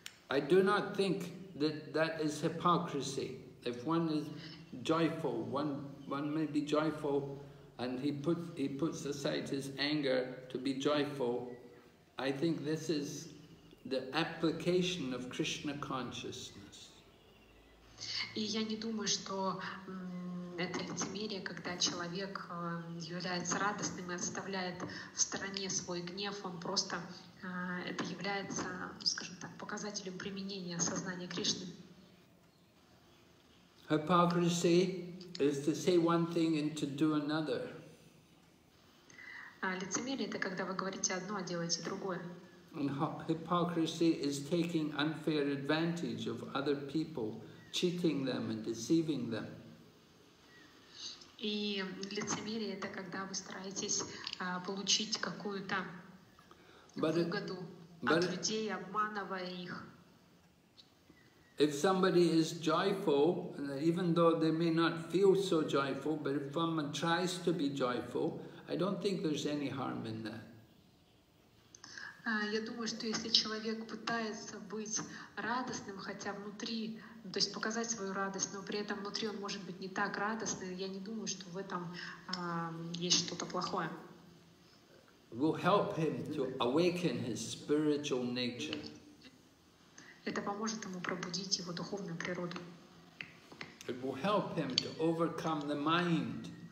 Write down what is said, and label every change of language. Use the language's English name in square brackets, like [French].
[English] I do not think that is hypocrisy. If one is joyful, one may be joyful, and he puts aside his anger to be joyful. I think this is the application of Krishna consciousness. [Russian] И я не думаю, что это лицемерие, когда человек является радостным и оставляет в стороне свой гнев. Он просто это является, скажем так, показателем применения сознания Кришны. [English] Hypocrisy is to say one thing and to do another. [Russian] Лицемерие – это когда вы говорите одно, а делаете другое. [English] And hypocrisy is taking unfair advantage of other people, cheating them and deceiving them. [Russian] И лицемерие – это когда вы стараетесь получить какую-то выгоду от людей, обманывая их. [English] If somebody is joyful, even though they may not feel so joyful, but if someone tries to be joyful, I don't think there's any harm in that. [Russian] Я думаю, что если человек пытается быть радостным, хотя внутри То есть показать свою радость, но при этом внутри он может быть не так радостный. Я не думаю, что в этом есть что-то плохое. [English] Will help him to awaken his spiritual nature. [Russian] Это поможет ему пробудить его духовную природу. [English] It will help him to overcome the mind.